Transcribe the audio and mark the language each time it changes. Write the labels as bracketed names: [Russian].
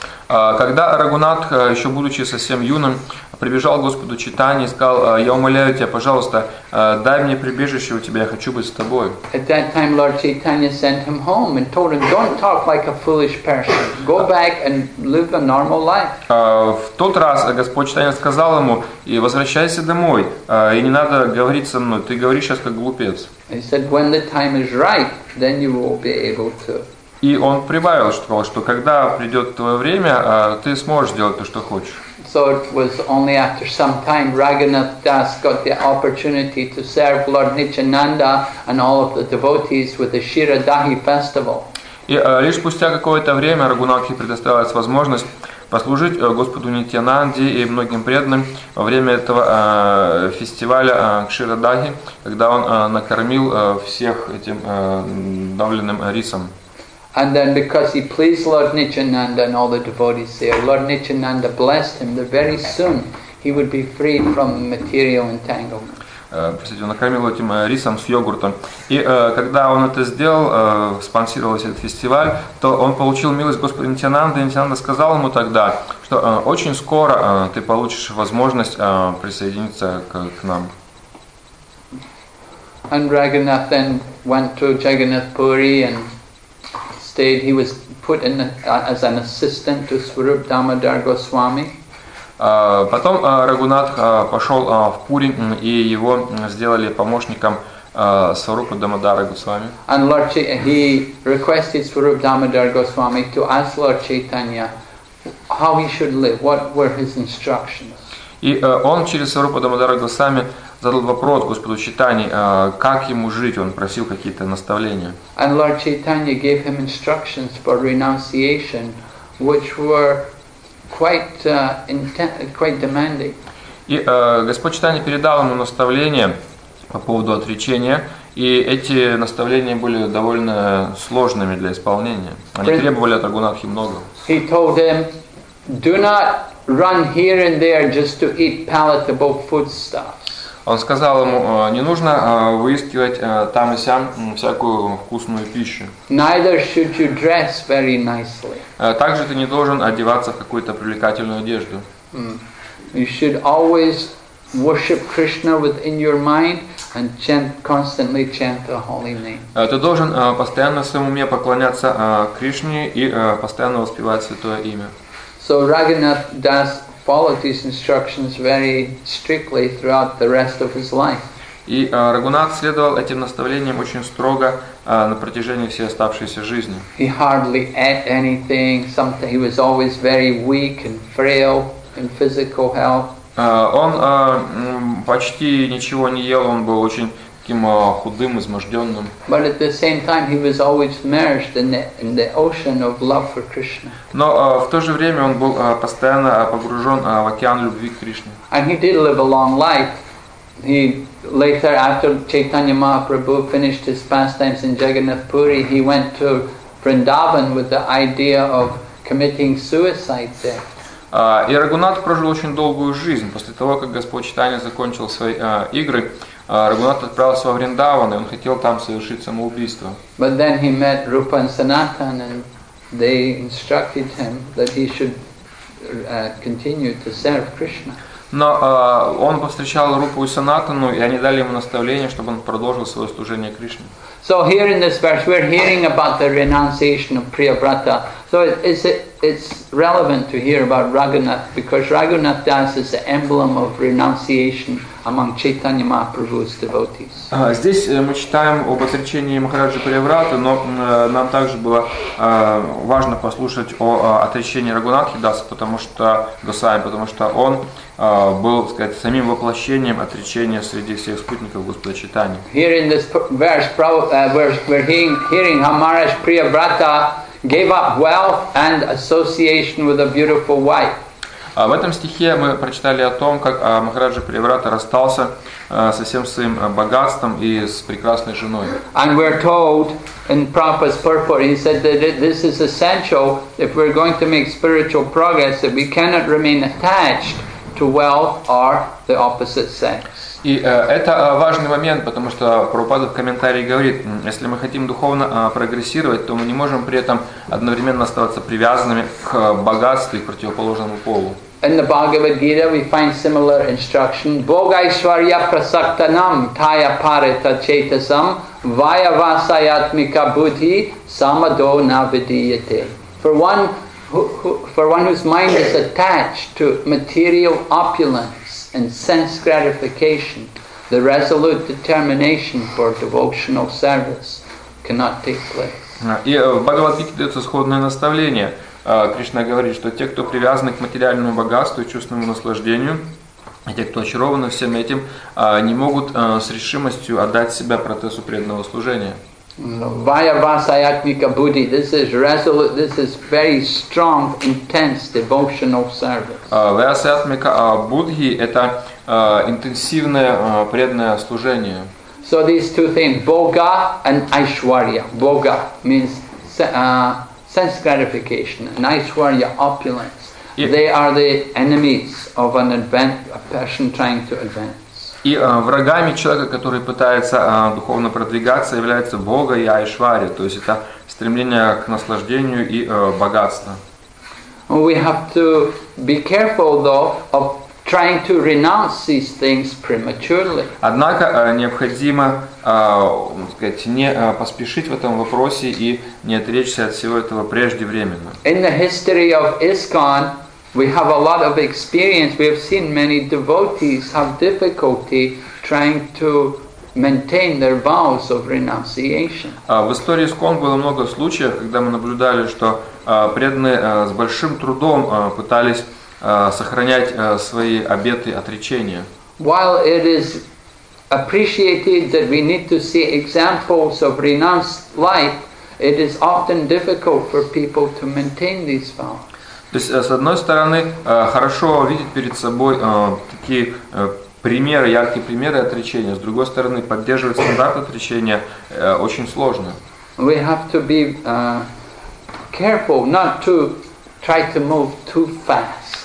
[Russian] Когда Рагунат, еще будучи совсем юным, прибежал к Господу Чайтанье и сказал, я умоляю тебя, пожалуйста, дай мне прибежище у тебя, я хочу быть с тобой. [English] At that time Lord Chaitanya sent him home and told him, don't talk like a foolish person. Go back and live a normal life. [Russian] В тот раз Господь Чайтанья сказал ему, и возвращайся домой, и не надо говорить со мной, ты говоришь сейчас как глупец. [English] He said, when the time is right, then you will be able to. [Russian] И он прибавил, что когда придет твое время, ты сможешь делать то, что хочешь. [English] So it was only after some time Raghunath Das got the opportunity to serve Lord Nityananda and all of the devotees with the Shiradhahi festival. [Russian] И лишь спустя какое-то время Рагунатхе предоставилась возможность послужить Господу Нитьянанде и многим преданным во время этого фестиваля Кширадахи, когда он накормил всех этим давленным рисом. [English] And then because he pleased Lord Nityananda and all the devotees there, Lord Nityananda blessed him that very soon he would be freed from material entanglement. [Russian] Он накормил этим рисом с йогуртом. И когда он это сделал, спонсировал этот фестиваль, то он получил милость Господа Нитьянанды. Нитьянанда сказал ему тогда, что очень скоро ты получишь возможность присоединиться к нам. [English] And Raghunath then went to Jagannath Puri and stayed. He was put in as an assistant to Swarup Damodar Goswami. [Russian] Потом Рагунат пошел в Пури и его сделали помощником Сварупа Дамодара Госвами. [English] And Lord he requested Swarup Damodar Goswami to ask Lord Chaitanya how he should live. What were his instructions? [Russian] И он через Сварупа Дамодара Госвами задал вопрос Господу Чайтанье, как ему жить, он просил какие-то наставления. [English] And Lord Chaitanya gave him instructions for renunciation, which were quite demanding. [Russian] И Господь Чайтанья передал ему наставления по поводу отречения, и эти наставления были довольно сложными для исполнения. Они требовали от Рагунатхи много. [English] He told him, do not run here and there just to eat palatable foodstuffs. [Russian] Он сказал ему, не нужно выискивать там и сям всякую вкусную пищу. [English] Neither should you dress very nicely. [Russian] Также ты не должен одеваться в какую-то привлекательную одежду. [English] You should always worship Krishna within your mind and constantly chant the holy name. [Russian] Ты должен постоянно в своем уме поклоняться Кришне и постоянно воспевать святое имя. [English] So Raghunath Das followed these instructions very strictly throughout the rest of his life. [Russian] И Рагунат следовал этим наставлениям очень строго на протяжении всей оставшейся жизни. [English] He hardly ate anything. Something he was always very weak and frail in physical health. [Russian] Он почти ничего не ел. Он был очень таким худым, изможденным. [English] But at the same time, he was always immersed in the ocean of love for Krishna. [Russian] Но в то же время он был постоянно погружен в океан любви к Кришне. [English] And he did live a long life. He later, after Chaitanya Mahaprabhu finished his pastimes in Jagannath Puri, he went to Vrindavan with the idea of committing suicide there. [Russian] И Рагунат прожил очень долгую жизнь. После того, как Господь Чайтанья закончил свои игры, Рагунат отправился во Вриндаван, и он хотел там совершить самоубийство. [English] But then he met Rupa and Sanatan, and they instructed him that he should continue to serve Krishna. [Russian] Но он повстречал Рупу и Санатану, и они дали ему наставление, чтобы он продолжил свое служение Кришне. [English] So here in this verse we're hearing about the renunciation of Priyavrata. So it's relevant to hear about Raghunath, because Raghunath Das is the emblem of renunciation among Chaitanya Mahaprabhu's devotees. [Russian] Здесь мы читаем об отречении Махараджи Приявраты, но нам также было важно послушать о отречении Рагунатхи Даса, потому что он был, так сказать, самим воплощением отречения среди всех спутников Господа Чайтаньи. [English] Here in this verse, we're hearing how Maharaj Priyavrata gave up wealth and association with a beautiful wife. [Russian] В этом стихе мы прочитали о том, как Махараджа Приврата расстался со всем своим богатством и с прекрасной женой. [English] And we're told in Prabhupada's purport, he said that this is essential if we're going to make spiritual progress, that we cannot remain attached to wealth or the opposite sex. [Russian] И это важный момент, потому что Прабхупада в комментарии говорит, если мы хотим духовно прогрессировать, то мы не можем при этом одновременно оставаться привязанными к богатству и к противоположному полу. [English] In the Bhagavad Gita we find similar instruction. [Sanskrit] Bhogaishwarya prasaktanam taya parita chetasam vayavasayatmika buddhi samado navidiyate. [English] For one whose mind is attached to material opulence and sense gratification, the resolute determination for devotional service cannot take place. [Russian] И в Бхагавад-гите дается сходное наставление. Кришна говорит, что те, кто привязаны к материальному богатству и чувственному наслаждению, и те, кто очарованы всем этим, не могут с решимостью отдать себя процессу преданного служения. [English] Vayavasayatmika buddhi. This is resolute. This is very strong, intense devotional service. [Sanskrit] Vayavasayatmika buddhi. [Russian] Это интенсивное преданное служение. [English] So these two things, boga and aishwarya. Boga means sense gratification, and aishwarya opulence. Yeah. They are the enemies of a person trying to advance. [Russian] И врагами человека, который пытается духовно продвигаться, являются Бога и Айшвари, то есть это стремление к наслаждению и богатству. [English] We have to be careful, though, of trying to renounce these things prematurely. [Russian] Однако необходимо, сказать, не поспешить в этом вопросе и не отречься от всего этого преждевременно. [English] In the history of ISKCON, we have a lot of experience. We have seen many devotees have difficulty trying to maintain their vows of renunciation. [Russian] В истории ISKCON было много случаев, когда мы наблюдали, что преданные с большим трудом пытались сохранять свои обеты отречения. [English] While it is appreciated that we need to see examples of renounced life, it is often difficult for people to maintain these vows. [Russian] То есть, с одной стороны, хорошо видеть перед собой такие примеры, яркие примеры отречения. С другой стороны, поддерживать стандарт отречения очень сложно. [English] We have to be careful not to try to move too fast.